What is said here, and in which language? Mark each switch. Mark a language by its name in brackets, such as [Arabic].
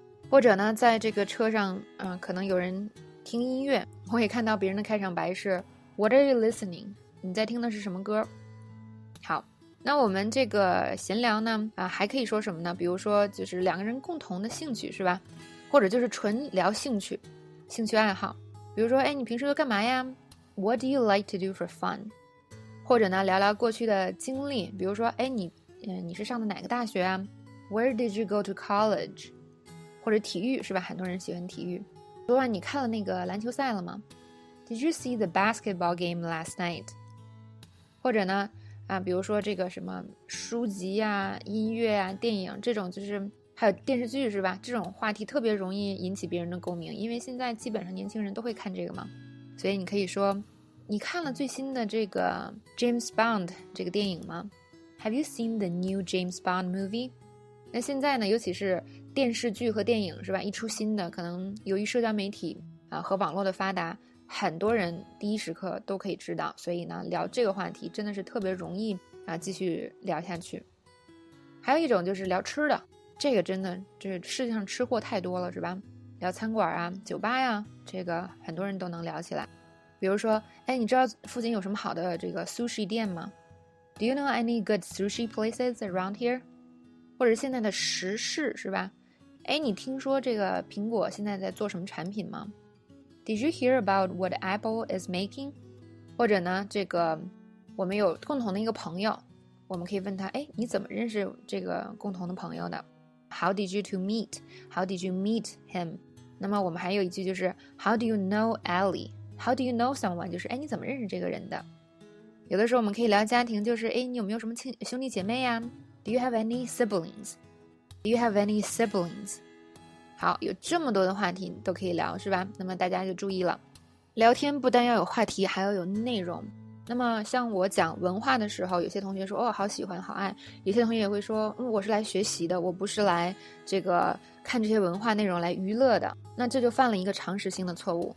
[Chinese] 或者呢在这个车上可能有人听音乐，我也看到别人的开场白是 [English] What are you listening? [Chinese] 你在听的是什么歌？好，那我们这个闲聊呢还可以说什么呢？比如说就是两个人共同的兴趣，是吧，或者就是纯聊兴趣，兴趣爱好。比如说，哎，你平时都干嘛呀？ [English] What do you like to do for fun? [Chinese] 或者呢聊聊过去的经历，比如说，哎，你是上的哪个大学啊？ [English] Where did you go to college? [Chinese] 或者体育，是吧，很多人喜欢体育。昨晚你看了那个篮球赛了吗？ [English] Did you see the basketball game last night? [Chinese] 或者呢比如说这个什么书籍啊、音乐啊、电影这种，就是还有电视剧，是吧，这种话题特别容易引起别人的共鸣，因为现在基本上年轻人都会看这个嘛。所以你可以说，你看了最新的这个 James Bond 这个电影吗？ [English] Have you seen the new James Bond movie? [Chinese] 那现在呢，尤其是电视剧和电影，是吧，一出新的，可能由于社交媒体和网络的发达，很多人第一时刻都可以知道，所以呢聊这个话题真的是特别容易继续聊下去。还有一种就是聊吃的，这个真的就是世界上吃货太多了，是吧，聊餐馆啊、酒吧呀，这个很多人都能聊起来。比如说，哎，你知道附近有什么好的这个 sushi 店吗？ [English] Do you know any good sushi places around here? [Chinese] 或者现在的时事，是吧，哎，你听说这个苹果现在在做什么产品吗？ [English] Did you hear about what Apple is making? [Chinese] 或者呢，这个我们有共同的一个朋友，我们可以问他，哎，你怎么认识这个共同的朋友的？ [English] How did you to meet? How did you meet him? [Chinese] 那么我们还有一句就是 [English] How do you know Ellie? How do you know someone? [Chinese] 就是，哎，你怎么认识这个人的？有的时候我们可以聊家庭，就是，哎，你有没有什么兄弟姐妹呀？ [English] Do you have any siblings? Do you have any siblings? [Chinese] 好，有这么多的话题都可以聊，是吧，那么大家就注意了，聊天不单要有话题，还要有内容。那么像我讲文化的时候，有些同学说，哦，好喜欢好爱，有些同学也会说，我是来学习的，我不是来这个看这些文化内容来娱乐的，那这就犯了一个常识性的错误。